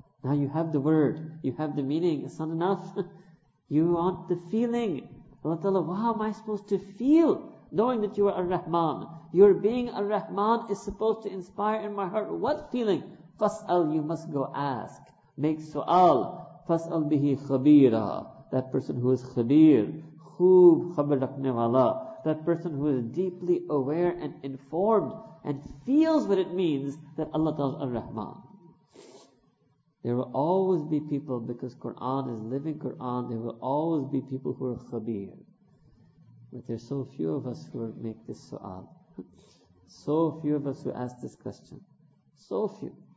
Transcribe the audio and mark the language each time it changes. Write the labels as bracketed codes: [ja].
[en] Now you have the word, you have the meaning, it's not enough. You want the feeling. Allah Ta'ala, how am I supposed to feel knowing that you are Ar-Rahman? Your being Ar-Rahman is supposed to inspire in my heart what feeling? Fas'al, you must go ask. Make su'al. [ar] Fas'al bihi khabira. [en] That person who is khabir. [ur] خوب خبر رکھنے والا۔ [en] That person who is deeply aware and informed and feels what it means that Allah Ta'ala is Ar-Rahman. There will always be people, because Quran is living Quran, there will always be people who are khabir. But there's so few of us who make this su'al. So few of us who ask this question. So few.